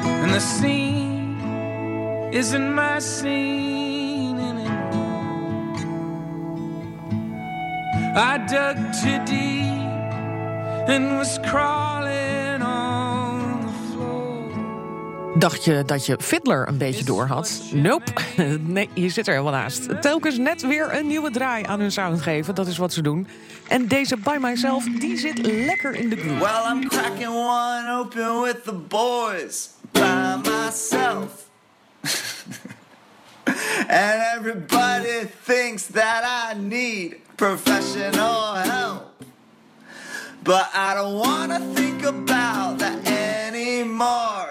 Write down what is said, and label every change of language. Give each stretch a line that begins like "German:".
English: the scene isn't my scene anymore. I dug too deep and was crawling on the floor.
Dutch: Dacht je dat je Fiddler een beetje door had? Nope. Nee, je zit er helemaal naast. Telkens net weer een nieuwe draai aan hun sound geven, dat is wat ze doen. En deze By Myself, die zit lekker in de groove.
English: Well, I'm cracking one open with the boys. By myself. And everybody thinks that I need professional help. But I don't wanna think about that anymore.